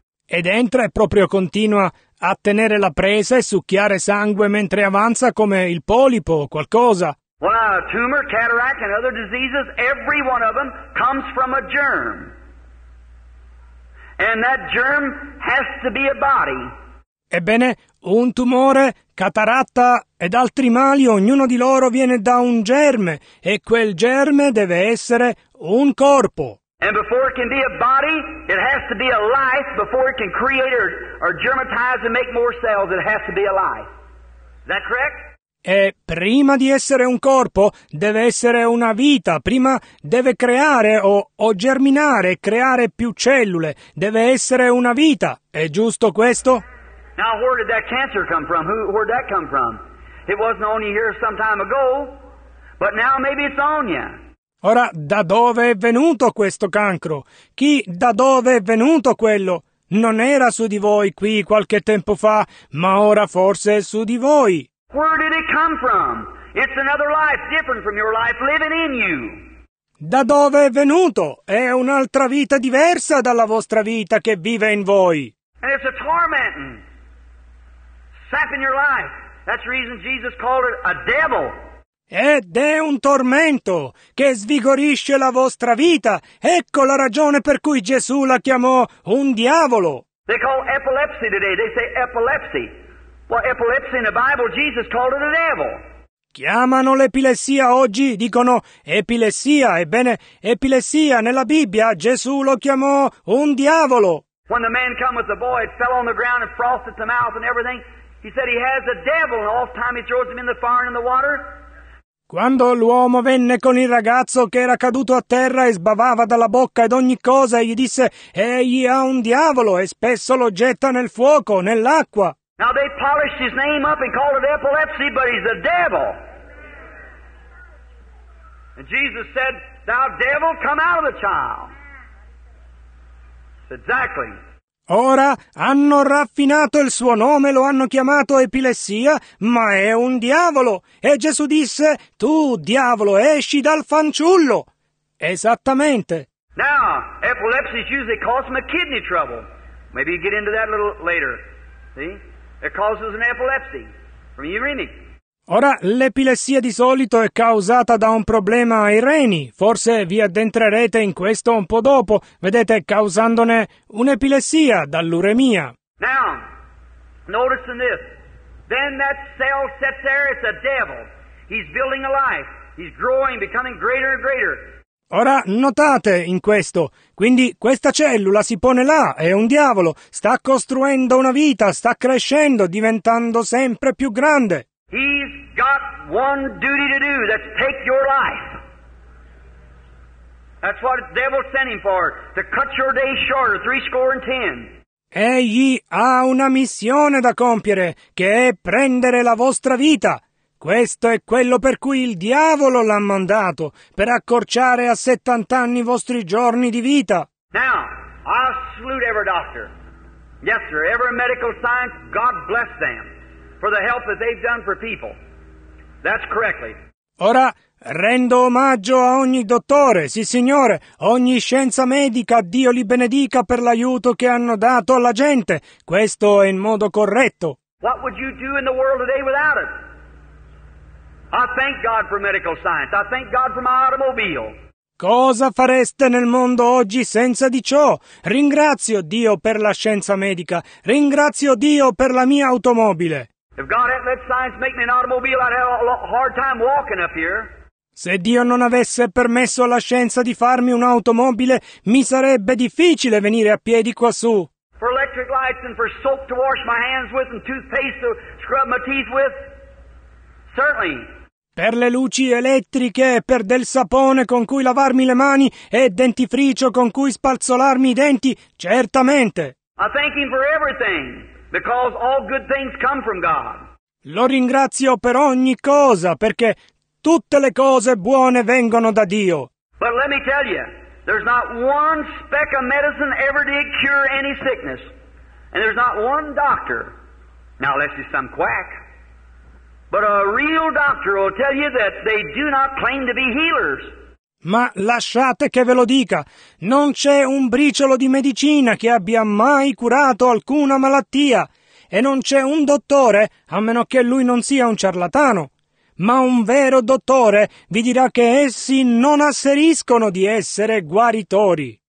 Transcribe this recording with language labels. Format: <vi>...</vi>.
<it>Ed entra e proprio continua a tenere la presa e succhiare sangue mentre avanza come il polipo o qualcosa.</it> <en>Well, tumor, cataract and other diseases, every one of them comes from a germ. And that germ has to be a body.</en> <it>Ebbene, un tumore, cataratta ed altri mali, ognuno di loro viene da un germe, e quel germe deve essere un corpo.</it> <en>And before it can be a body, it has to be a life. Before it can create or germatize and make more cells, it has to be a life. Is that correct?</en> <it>E prima di essere un corpo, deve essere una vita. Prima deve creare o germinare, creare più cellule. Deve essere una vita. È giusto questo?</it> <en>Now, where did that cancer come from? Where'd that come from? It wasn't on you here some time ago, but now maybe it's on you.</en> <it>Ora, da dove è venuto questo cancro? Chi, da dove è venuto quello? Non era su di voi qui qualche tempo fa, ma ora forse è su di voi.</it> <en>Where did it come from? It's another life, different from your life, living in you.</en> <it>Da dove è venuto? È un'altra vita diversa dalla vostra vita che vive in voi.</it> <en>And it's a tormenting. Sapping your life. That's the reason Jesus called it a devil.</en> <it>Ed è un tormento che svigorisce la vostra vita. Ecco la ragione per cui Gesù la chiamò un diavolo.</it> <en>They call epilepsy today. They say epilepsy. Well, epilepsy in the Bible, Jesus called it a devil.</en> <it>Chiamano l'epilessia oggi, dicono epilessia. Ebbene, epilessia nella Bibbia, Gesù lo chiamò un diavolo.</it> <en>When the man came with the boy, it fell on the ground and frosted the mouth and everything. He said he has a devil, and all the time he throws him in the fire and in the water.</en> <it>Quando l'uomo venne con il ragazzo che era caduto a terra e sbavava dalla bocca ed ogni cosa, e gli disse, egli ha un diavolo e spesso lo getta nel fuoco, nell'acqua.</it> <en>Now they polished his name up and called it epilepsy, but he's a devil. And Jesus said, thou devil, come out of the child. Exactly.</en> <it>Ora hanno raffinato il suo nome, lo hanno chiamato epilessia, ma è un diavolo. E Gesù disse: tu, diavolo, esci dal fanciullo. Esattamente.</it> <en>Now, epilepsy is usually causing a kidney trouble. Maybe you get into that a little later. See? It causes an epilepsy from your reni.</en> <it>Ora, l'epilessia di solito è causata da un problema ai reni. Forse vi addentrerete in questo un po' dopo, vedete, causandone un'epilessia dall'uremia.</it> <en>Now, notice in this. Then that cell sits there, it's a devil. He's building a life. He's growing, becoming greater and greater.</en> <it>Ora, notate in questo. Quindi, questa cellula si pone là, è un diavolo. Sta costruendo una vita, sta crescendo, diventando sempre più grande.</it> <en>He's got one duty to do, that's take your life. That's what the devil sent him for, to cut your day shorter, 70.</en> <it>Egli ha una missione da compiere, che è prendere la vostra vita. Questo è quello per cui il diavolo l'ha mandato, per accorciare a 70 anni i vostri giorni di vita.</it> <en>Now, I salute every doctor. Yes, sir, every medical science, God bless them. For the help that they've done for people. That's correctly.</en> <it>Ora, rendo omaggio a ogni dottore, sì signore, ogni scienza medica, Dio li benedica per l'aiuto che hanno dato alla gente. Questo è in modo corretto.</it> <en>What would you do in the world today without it? I thank God for medical science. I thank God for my automobile.</en> <it>Cosa fareste nel mondo oggi senza di ciò? Ringrazio Dio per la scienza medica. Ringrazio Dio per la mia automobile.</it> <en>If God hadn't let science make me an automobile, I'd have a hard time walking up here.</en> <it>Se Dio non avesse permesso alla scienza di farmi un'automobile, mi sarebbe difficile venire a piedi quassù.</it> <en>For electric lights and for soap to wash my hands with and toothpaste to scrub my teeth with, certainly.</en> <it>Per le luci elettriche, per del sapone con cui lavarmi le mani e dentifricio con cui spazzolarmi i denti, certamente.</it> <en>I thank him for everything. Because all good things come from God.</en> <it>Lo ringrazio per ogni cosa, perché tutte le cose buone vengono da Dio.</it> <en>But let me tell you, there's not one speck of medicine ever did cure any sickness. And there's not one doctor, now unless he's some quack, but a real doctor will tell you that they do not claim to be healers.</en> <it>Ma lasciate che ve lo dica, non c'è un briciolo di medicina che abbia mai curato alcuna malattia, e non c'è un dottore, a meno che lui non sia un ciarlatano, ma un vero dottore vi dirà che essi non asseriscono di essere guaritori.</it>